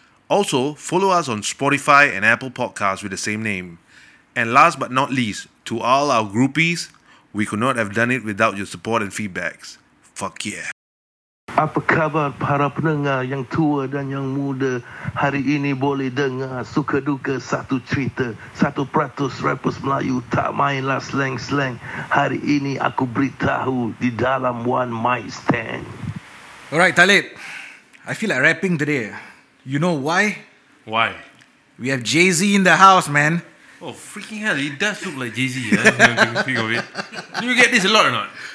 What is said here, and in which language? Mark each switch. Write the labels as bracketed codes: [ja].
[en] Also, follow us on Spotify and Apple Podcasts with the same name. And last but not least, to all our groupies, we could not have done it without your support and feedbacks. Fuck yeah. [ms] Apa kabar para pendengar yang tua dan yang muda? Hari ini boleh dengar suka duka satu cerita. 1% rappers Melayu tak mainlah slang-slang. Hari ini aku beritahu di dalam One Mic Stand. [en] Alright Talib, I feel like rapping today. You know why? Why? We have Jay-Z in the house, man. Oh, freaking hell, he does look like Jay-Z. Huh? Speak of it. Do you get this a lot or not?